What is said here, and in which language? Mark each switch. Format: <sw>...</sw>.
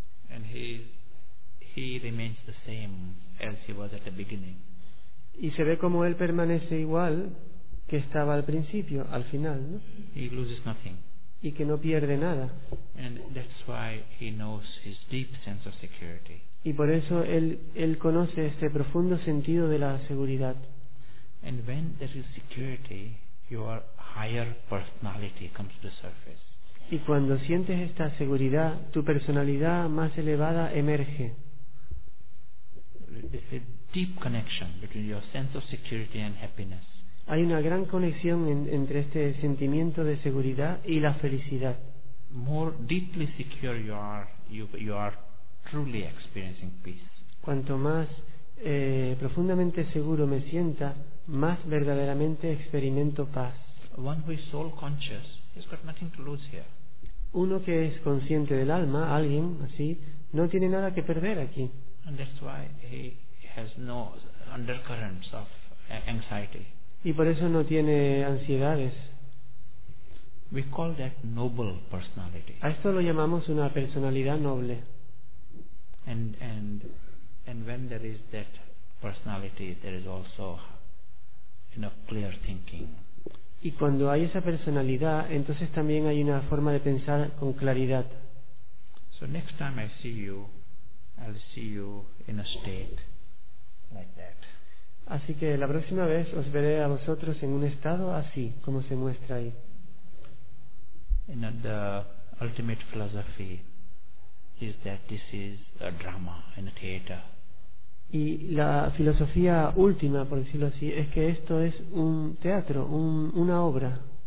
<en>And he remains the same as he was at the beginning.</en> <es>Y se ve como él permanece igual que estaba al principio, al final, ¿no?</es> <en>He loses nothing.</en> <es>Y que no pierde nada.</es> <en>And that's why he knows his deep sense of security.</en> <es>Y por eso él conoce este profundo sentido de la seguridad.</es> <en>And when there is security, your higher personality comes to the surface.</en> <es>Y cuando sientes esta seguridad, tu personalidad más elevada emerge.</es> <en>There's a deep connection between your sense of security and happiness.</en> <es>Hay una gran conexión entre este sentimiento de seguridad y la felicidad.</es> <en>More deeply secure you are truly experiencing peace.</en> <es>Cuanto más profundamente seguro me sienta, más verdaderamente experimento paz.</es> <en>One who is soul conscious has got nothing to lose here.</en> <es>Uno que es consciente del alma, alguien así, no tiene nada que perder aquí.</es> <en>And that's why he has no undercurrents of anxiety.</en> <es>Y por eso no tiene ansiedades.</es> <en>We call that noble personality.</en> <es>A esto lo llamamos una personalidad noble.</es> <en>And when there is that personality, there is also enough clear thinking.</en> <es>Y cuando hay esa personalidad, entonces también hay una forma de pensar con claridad.</es> <en>So next time I see you, I'll see you in a state like that.</en> <es>Así que la próxima vez os veré a vosotros en un estado así, como se muestra ahí.</es> <en>In the ultimate philosophy is that this is a drama in a theater.</en> <es>Y la filosofía última, por decirlo así, es que esto es un teatro, una obra.</es>